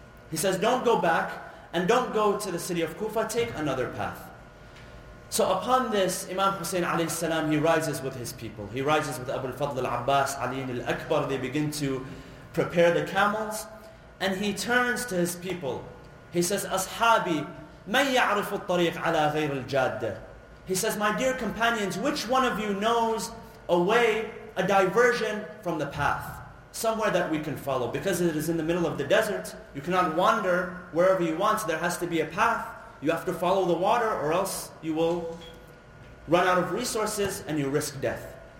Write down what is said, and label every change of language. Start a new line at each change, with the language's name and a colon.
English: He says, don't go back and don't go to the city of Kufa. Take another path. So upon this, Imam Hussein alayhi salam, he rises with his people. He rises with Abu al-Fadl al-Abbas, Ali al-Akbar. They begin to prepare the camels. And he turns to his people. He says,
Arabic: أَصْحَابِي مَنْ يَعْرِفُ الطَّرِيقَ عَلَى غَيْرِ الْجَادَّةِ.
English: He says, my dear companions, which one of you knows a way, a diversion from the path? Somewhere that we can follow. Because it is in the middle of the desert, you cannot wander wherever you want. There has to be a path. You have to follow the water or else you will run out of resources and you risk death.